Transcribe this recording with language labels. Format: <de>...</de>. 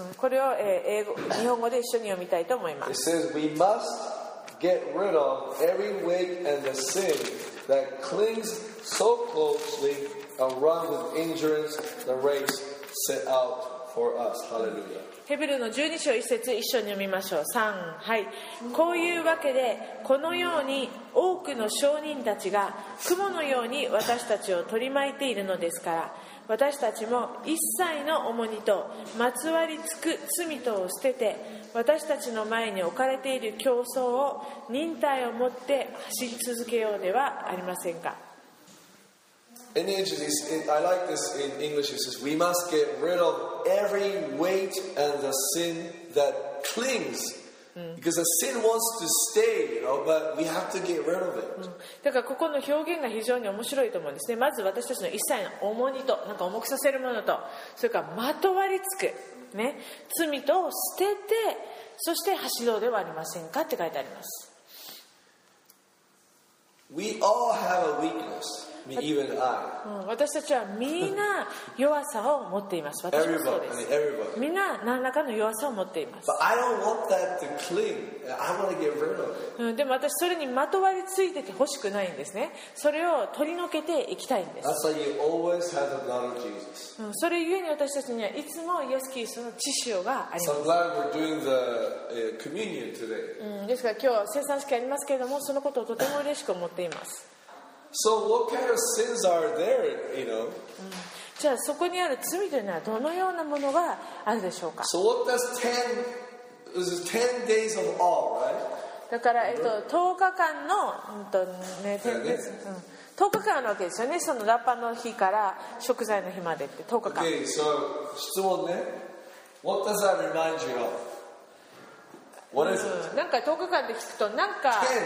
<ja>これを英語、日本語で一緒に読みたいと思います。</ja> <en>It says, We must get rid of every weight and the sin that clings so closely and run with endurance the race set out for us. Hallelujah.</en> <ja>ヘブルの12章1節一緒に読みましょう。3、はい。こういうわけでこのように多くの証人たちが雲のように私たちを取り巻いているのですから、私たちも一切の重荷とまつわりつく罪とを捨てて、私たちの前に置かれている競争を忍耐を持って走り続けようではありませんか。</ja> <en>In English, I like this in English. It says, "We must get rid of every weight and the sin that clings,、because the sin wants to stay, you know. But we have to get rid of it."、</en> <ja>だからここの表現が非常に面白いと思うんですね。まず私たちの一切の重荷と、なんか重くさせるものと、それからまとわりつくね、罪と捨てて、そして走ろうではありませんかって書いてあります。</ja> <en>We all have a weakness, even I.</en> <ja>私たちはみんな弱さを持っています。私もそうです。</ja> <en>Everybody.</en> <ja>みんな何らかの弱さを持っています。</ja> <en>But I don't want that to cling. I want to get rid of it.</en> <ja>でも私それにまとわりついてて欲しくないんですね。それを取り除けていきたいんです。</ja> <en>That's why you always have the blood of Jesus.</en> <ja>それゆえに私たちにはいつもイエス・キリストの血潮があります。</ja> <en>So I'm glad we're doing the communion today.</en> <ja>ですから今日聖餐式ありますけれども、そのことをとても嬉しく思っています。</ja> <en>So what kind of sins are there, you know?</en> <ja>じゃあそこにある罪というのはどのようなものがあるでしょうか。</ja> <en>So what does 10, this is 10 days of all, right?</en> <ja>だから10日間の、10日間のわけですよね。そのラッパの日から食材の日までって10日間。</ja> <en>Okay, so</en> <ja>質問ね。</ja> <en>What does that remind you of? What is it?</en> <ja>なんか10日間で聞くとなんか</ja>